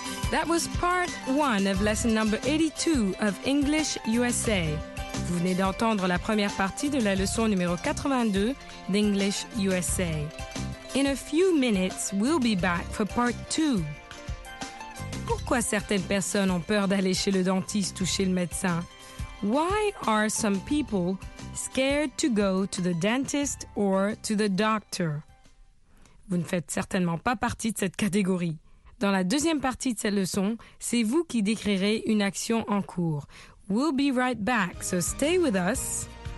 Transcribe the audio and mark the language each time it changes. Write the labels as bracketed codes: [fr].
[en] That was part one of lesson number 82 of English USA. [fr] Vous venez d'entendre la première partie de la leçon numéro 82 d'English USA. [en] In a few minutes, we'll be back for part two. [fr] Pourquoi certaines personnes ont peur d'aller chez le dentiste ou chez le médecin? [en] Why are some people scared to go to the dentist or to the doctor? [fr] Vous ne faites certainement pas partie de cette catégorie. Dans la deuxième partie de cette leçon, c'est vous qui décrirez une action en cours. [en] We'll be right back, so stay with us.